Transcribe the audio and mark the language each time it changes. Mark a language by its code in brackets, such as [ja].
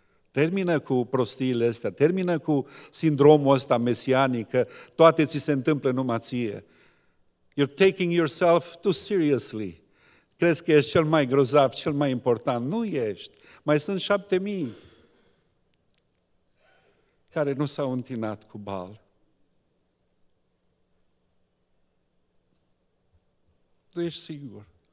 [ro] Termină cu prostiile astea, termină cu sindromul ăsta mesianic, că toate ți se întâmplă numai ție. [en] You're taking yourself too seriously. [ro] Crezi că ești cel mai grozav, cel mai important. Nu ești. Mai sunt 7.000 care nu s-au întinat cu Baal. Tu ești sigur.